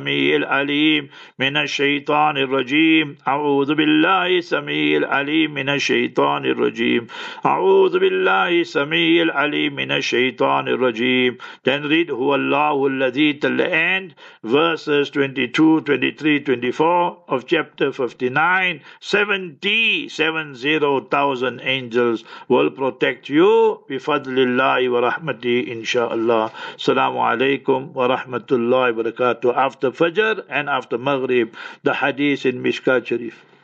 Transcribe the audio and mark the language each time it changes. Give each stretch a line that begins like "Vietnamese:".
Arabic: A'udhu Billahi العليم من الشيطان الرجيم أعوذ بالله السميع العليم من الشيطان الرجيم أعوذ بالله السميع العليم من الشيطان الرجيم.
English: Then read
Arabic: هو الله الذي
English: till the end, verses 22, 23, 24 of chapter 59. 70,000 angels will protect you
Arabic: بفضل الله ورحمته إن شاء الله. السلام عليكم ورحمة الله وبركاته.
English: After Fajr and after Maghrib, the hadith in Mishkat Sharif.